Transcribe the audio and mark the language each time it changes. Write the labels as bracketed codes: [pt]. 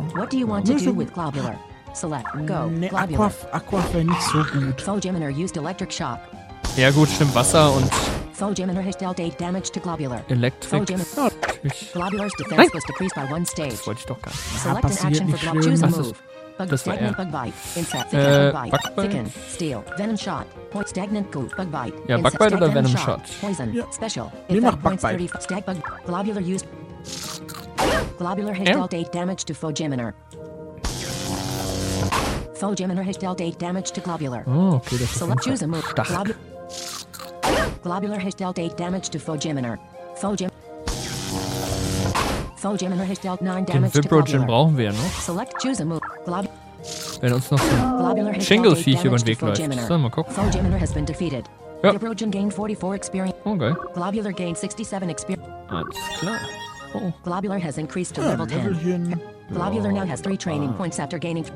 [en] What do you want to do with Globular? Select. Go. [de] Ne, Aquaf. Aquaf wäre nicht so gut. [en] Foe Geminer used electric shock. [de] Ja gut, stimmt. Wasser und... [en] Foe Geminer has dealt 8 damage to Globular. Electric. Globular's defense was decreased by 1 stage. [de] Das wollte ich doch gar nicht. [en] Select an action for Globular. Choose a move. Das war Bug bite. Insect. Bug bite. Thicken. Steel. Venom shot. Point stagnant goo. Bug bite. [de] Ja, Bug bite oder Venom shot? [en] Poison. [de] Ja. [en] Special. [de] Wir machen Bug bite. [en] Stag bug. Globular used. Globular has dealt 8 damage to Foe Geminer. Foe Geminer has dealt 8 damage to Globular. [de] Oh, okay, das ist [en] Select [de] einfach. [en] Choose a move. [de] Stark. [en] Globular has dealt 8 damage to Foe Geminer. Foe Geminer has dealt 9 damage to Globular. [de] Den Vibrogen brauchen wir ja noch. [en] Select choose a move. [de] Wenn uns noch so ein Shingle-Viech über den Weg läuft. So, mal gucken. [en] Foe Geminer has been defeated. [de] Ja. [en] Vibrogen gained 44 experience. [de] Okay. [en] Globular gained 67 experience. [de] Alles klar. Oh. [en] Globular has increased to level 10. Globular now has 3 training points after gaining...